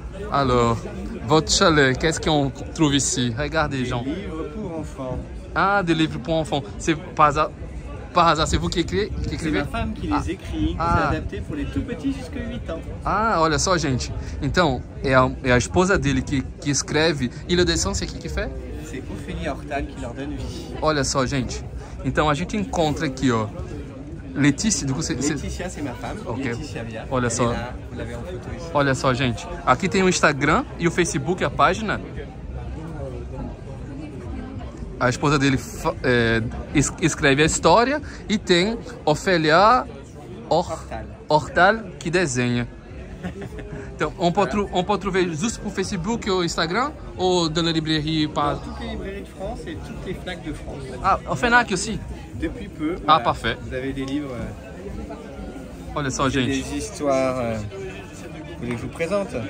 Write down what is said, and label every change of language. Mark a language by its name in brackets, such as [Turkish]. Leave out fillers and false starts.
[French] Alors, votre chalet, qu'est-ce qu'on trouve ici? Regardez, Jean. Des livres pour enfants. Ah, des livres pour enfants. C'est par hasard, c'est vous qui écrivez? C'est ma femme qui les écrit. Ah. C'est adapté pour les tout petits jusqu'à 8 ans. [Portuguese] Ah, olha só, gente. Então, é a esposa dele que escreve. [French] Ilha de Sons, c'est qui fait? C'est Ophélie Hortal qui leur donne vie. [Portuguese] Olha só, gente. Então, a gente encontra aqui, ó. [French] Letícia, du coup, c'est ma femme, okay. Letícia Via. [Portuguese] Olha só. [French] Vous l'avez en photo ici. [Portuguese] Olha só, gente. Aqui tem o Instagram e o Facebook, a página. a esposa dele escreve a história, e tem Ofélia Hortal, que desenha. Então, [French] on peut trouver juste pour Facebook ou Instagram, ou dans la librairie par... Toutes les librairies de France et toutes les FNAC de France. Ah, au FNAC aussi? Depuis peu. Ah, voilà, parfait. Vous avez des livres... [Portuguese] Olha só, gente. [French] Des histoires... Vous voulez que je vous présente?